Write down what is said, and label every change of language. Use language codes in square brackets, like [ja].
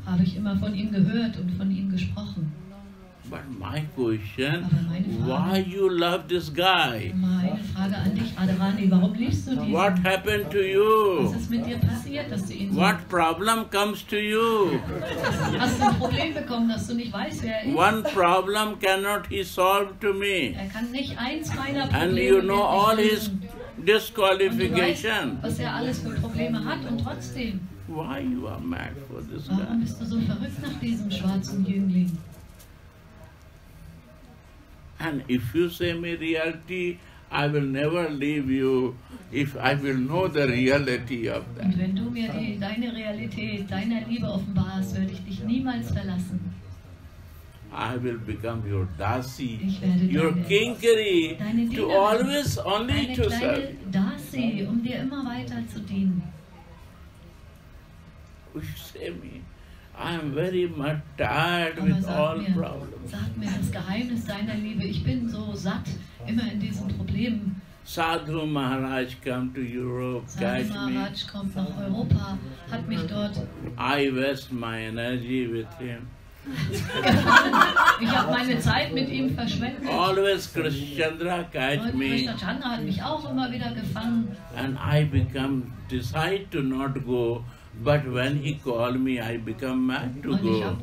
[de] Habe ich immer von ihm gehört und von ihm gesprochen. [en] But my question, why you love this guy? [de] Meine Frage an dich, Adrani, warum liebst du diesen? [en] What happened to you? [de] Was ist mit dir passiert, dass du ihn so? [en] What problem comes to you? [de] Hast du ein Problem bekommen, dass du nicht weißt, wer er ist? [en] One problem cannot he solve to me. [de] Er kann nicht eins meiner Probleme. [en] And you know all his disqualification. [de] Und du weißt, was er alles für Probleme hat und trotzdem. [en] Why you are mad for this [de] warum [en] guy? [de] Warum bist du so verrückt nach diesem schwarzen Jüngling? [en] And if you say me reality, I will never leave you if I will know the reality of that. [de] Und wenn du mir deine Realität, deine Liebe offenbarst, werde ich dich niemals verlassen. [en] I will become your dasi, [de] ich werde [en] your kinkari, to always only to serve. [de] Deine kleine dasi, um dir immer weiter zu dienen. [en] Would you say me? I am very much tired with all problems. [de] Sag mir das Geheimnis deiner Liebe. Ich bin so satt, immer in diesen Problemen. [en] Sadhu Maharaj, come to Europe, guide me. [de] Sadhu Maharaj kommt nach Europa, hat mich dort. [en] I waste my energy with him. [de] Ich habe meine Zeit mit ihm verschwendet. [en] Always Krishnachandra, guide me. [de] Und Krishnachandra hat mich auch immer wieder gefangen. [en] And I become decide to not go. But when he called me, I become mad to go.